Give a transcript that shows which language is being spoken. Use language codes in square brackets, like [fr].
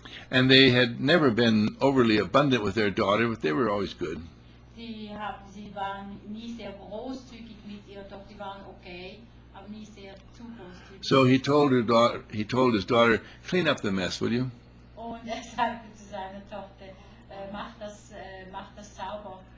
[en] And they had never been overly abundant with their daughter, but they were always good. [de] Sie waren nie sehr großzügig mit ihr, doch sie waren okay, aber nie sehr zu großzügig. [en] So he told his daughter, "Clean up the mess, will you?" [de] Und sagte zu seiner Tochter, mach das sauber.